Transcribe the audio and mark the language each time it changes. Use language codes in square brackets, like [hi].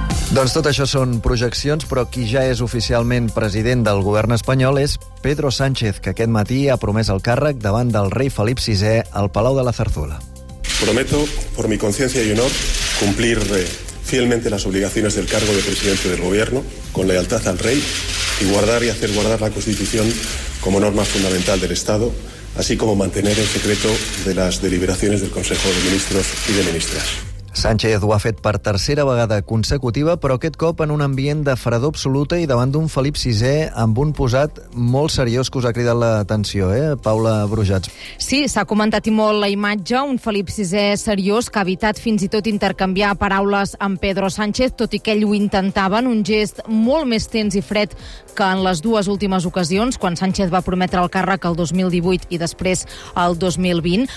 [ca] Doncs tot això són projeccions, però qui ja és oficialment president del govern espanyol és Pedro Sánchez, que aquest matí ha promès el càrrec davant del rei Felip VI al Palau de la Zarzuela. [es] Prometo, por mi conciencia y honor, cumplir fielmente las obligaciones del cargo de presidente del gobierno, con lealtad al rey, y guardar y hacer guardar la Constitución como norma fundamental del Estado, así como mantener el secreto de las deliberaciones del Consejo de Ministros y de Ministras. [ca] Sánchez ho ha fet per tercera vegada consecutiva, però aquest cop en un ambient de fredor absoluta i davant d'un Felip VI amb un posat molt seriós que us ha cridat l'atenció, eh? Paula Brujats. Sí, s'ha comentat i molt la imatge, un Felip VI seriós que ha evitat fins i tot intercanviar paraules amb Pedro Sánchez, tot i que ell ho intentava en un gest molt més tens i fred que en les dues últimes ocasions, quan Sánchez va prometre el càrrec el 2018 i després el 2020.